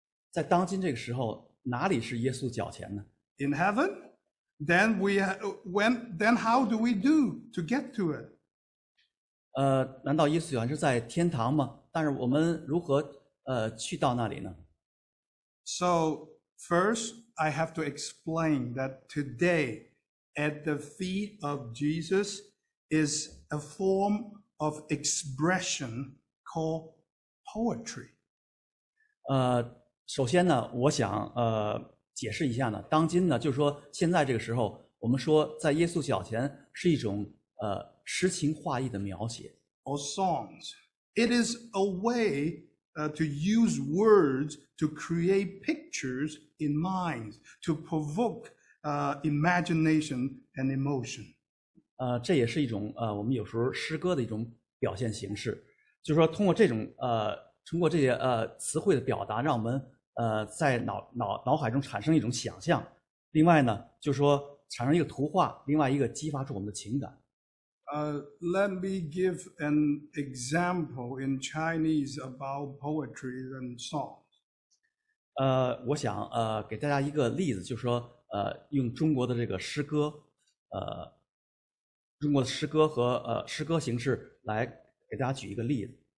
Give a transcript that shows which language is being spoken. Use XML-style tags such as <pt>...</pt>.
<zh>在当今这个时候，哪里是耶稣脚前呢？</zh> <en>In heaven? Then how do we do to get to it?</en> <zh>难道耶稣脚前是在天堂吗？但是我们如何去到那里呢？</zh> <en>So first, I have to explain that today,At the feet of Jesus is a form of expression called poetry.</en> <zh>首先呢，我想解释一下呢，当今呢，就是说现在这个时候，我们说在耶稣脚前是一种诗情画意的描写。</zh> <en>Or songs. It is a way to use words to create pictures in minds to provoke. Imagination and emotion.</en> <zh>这也是一种我们有时候诗歌的一种表现形式，就是说通过这种通过这些词汇的表达，让我们在脑海中产生一种想象。另外呢，就是说产生一个图画，另外一个激发出我们的情感。</zh> <en>Let me give an example in Chinese about poetry and songs.</en> <zh>我想给大家一个例子，就是说。用中国的这个诗歌，中国的诗歌和诗歌形式来给大家举一个例子。</zh>